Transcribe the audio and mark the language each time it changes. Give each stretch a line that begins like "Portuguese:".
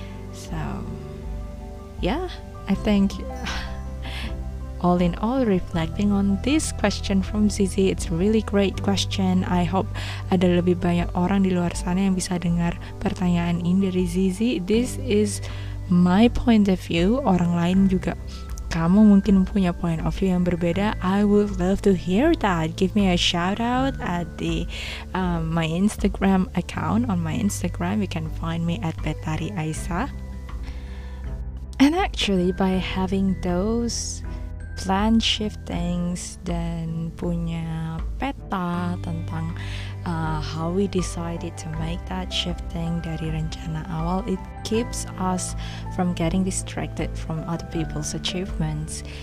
English: So yeah, I think all in all, reflecting on this question from Zizi, it's a really great question. I hope
Indonesian: ada lebih banyak orang di luar sana yang bisa dengar pertanyaan ini dari Zizi.
English: This is my point of view.
Indonesian: Orang lain juga, kamu mungkin punya point of view yang berbeda.
English: I would love to hear that. Give me a shout out at the my Instagram account. On my Instagram, you can find me at Betari Aisa. And actually, by having those plan shiftings
Indonesian: dan punya peta tentang
English: how we decided to make that shifting
Indonesian: dari rencana awal,
English: it keeps us from getting distracted from other people's achievements.